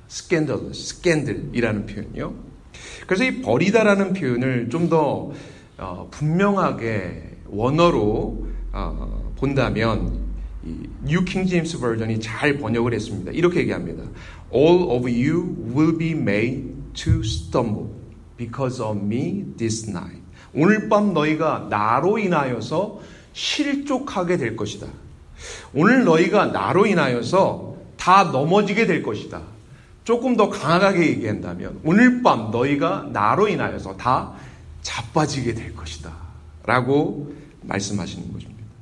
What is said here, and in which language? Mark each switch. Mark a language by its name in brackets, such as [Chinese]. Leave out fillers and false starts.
[Korean] 스캔들러스, 스캔들이라는 표현이요. 그래서 이 버리다라는 표현을 좀 더 분명하게 원어로 본다면 이 New King James Version이 잘 번역을 했습니다. 이렇게 얘기합니다. [English] All of you will be made to stumble because of me this night. [Korean] 오늘 밤 너희가 나로 인하여서 실족하게 될 것이다. 오늘 너희가 나로 인하여서 다 넘어지게 될 것이다. 조금 더 강하게 얘기한다면 오늘 밤 너희가 나로 인하여서 다 자빠지게 될 것이다 라고 말씀하시는 것입니다.